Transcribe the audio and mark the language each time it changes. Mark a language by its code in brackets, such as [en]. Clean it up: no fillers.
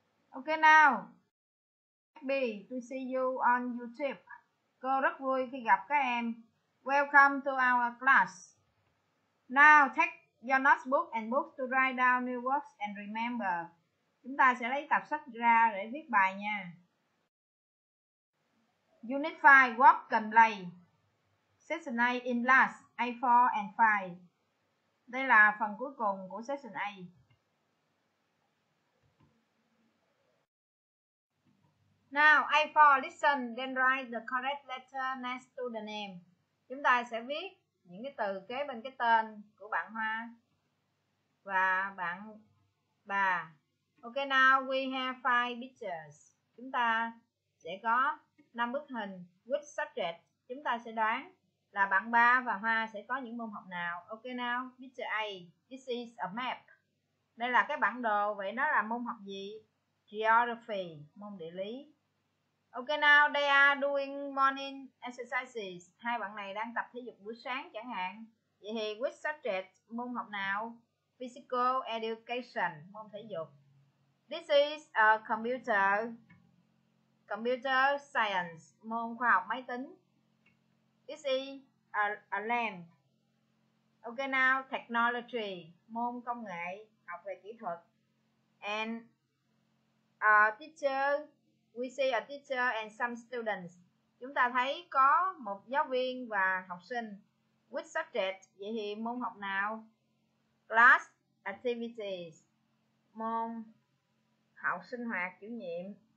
[en] Ok now, happy to see you on YouTube. [vi] Cô rất vui khi gặp các em. Welcome to our class. [en] Now, take your notebook and book to write down new words and remember. [vi] Chúng ta sẽ lấy tập sách ra để viết bài nha. [en] Unit 5, Walk and Play. Section A in class, A4 and 5. [vi] Đây là phần cuối cùng của Section A. [en] Now, A4, listen, then write the correct letter next to the name. [vi] Chúng ta sẽ viết những cái từ kế bên cái tên của bạn Hoa và bạn Bà. [en] Ok, now we have 5 pictures. Chúng ta sẽ có 5 bức hình with subject. [vi] Chúng ta sẽ đoán là bạn Ba và Hoa sẽ có những môn học nào. [en] Ok, now, picture A, this is a map. [vi] Đây là cái bản đồ, vậy nó là môn học gì? Geography, môn địa lý. [en] Ok, now, they are doing morning exercises. [vi] Hai bạn này đang tập thể dục buổi sáng chẳng hạn. Vậy thì with subject, môn học nào? Physical education, môn thể dục. This is a computer science, môn khoa học máy tính. [en] This is a lamp. Ok now, technology, môn công nghệ, học về kỹ thuật. And a teacher, we see a teacher and some students. [vi] Chúng ta thấy có một giáo viên và học sinh. Which subject, vậy thì môn học nào? Class activities, môn học sinh hoạt chủ nhiệm.